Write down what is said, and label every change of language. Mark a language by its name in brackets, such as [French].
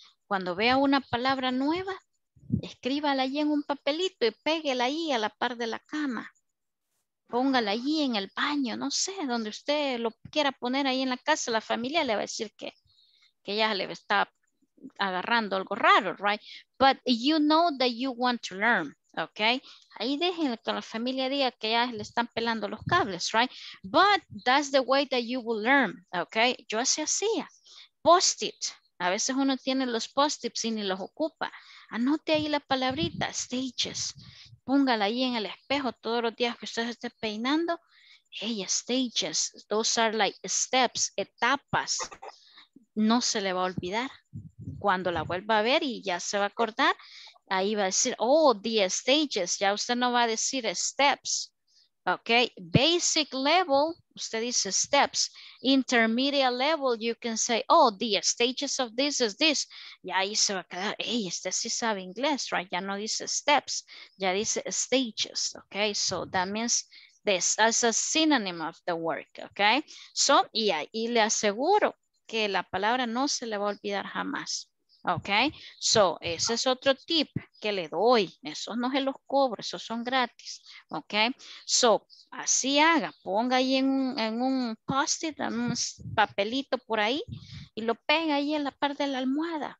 [Spanish] Cuando vea una palabra nueva, escríbala ahí en un papelito y pégala ahí a la par de la cama. Póngala ahí en el baño, no sé, donde usted lo quiera poner ahí en la casa, la familia le va a decir que ya le está agarrando algo raro, right? [English] But you know that you want to learn, okay? [Spanish] Ahí déjenle que la familia diga que ya le están pelando los cables, right? [English] But that's the way that you will learn, okay? [Spanish] Yo así hacía. Post it. A veces uno tiene los post-its y ni los ocupa. Anote ahí la palabrita, stages. Póngala ahí en el espejo todos los días que usted se esté peinando. [English] Hey, stages, those are like steps, etapas. [Spanish] No se le va a olvidar. Cuando la vuelva a ver y ya se va a acordar, ahí va a decir, [English] oh, the stages. [Spanish] Ya usted no va a decir steps. Ok, [English] basic level, [Spanish] usted dice steps. [English] Intermediate level, you can say, oh, the stages of this is this. [Spanish] Y ahí se va a quedar, hey, este sí sabe inglés, right? Ya no dice steps, ya dice stages, ok? [English] So that means this as a synonym of the word, ok? [Spanish] So, y ahí le aseguro que la palabra no se le va a olvidar jamás, ok? So, ese es otro tip que le doy. Esos no se los cobro, esos son gratis. Ok, so así haga, ponga ahí en un post-it, en un papelito por ahí y lo pega ahí en la parte de la almohada.